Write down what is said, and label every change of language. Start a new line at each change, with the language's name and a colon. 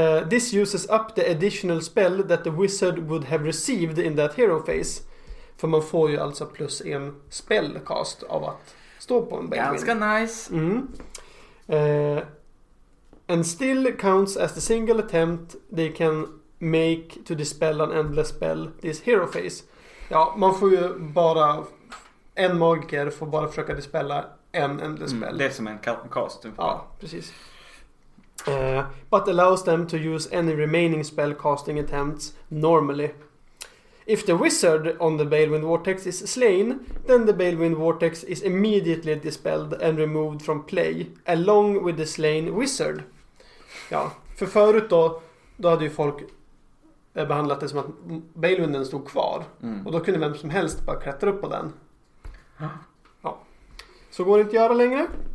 English: This uses up the additional spell that the wizard would have received in that hero phase.
Swedish: För man får ju alltså plus en spellcast av att stå på en Balemind. Ganska nice. Mm.
English: And still counts as the single attempt they can make to dispel an endless spell this hero phase.
Swedish: Ja, man får ju bara... En magiker får bara försöka dispella en enda spell. Det är som en cast. Ja, precis.
English: But allows them to use any remaining spell casting attempts normally. If the wizard on the Balemind Vortex is slain, then the Balemind Vortex is immediately dispelled and removed from play, along with the slain wizard.
Swedish: Ja, för förut då hade ju folk behandlat det som att Balemynden stod kvar. Mm. Och då kunde vem som helst bara klättra upp på den. Ja. Så går det inte att göra längre.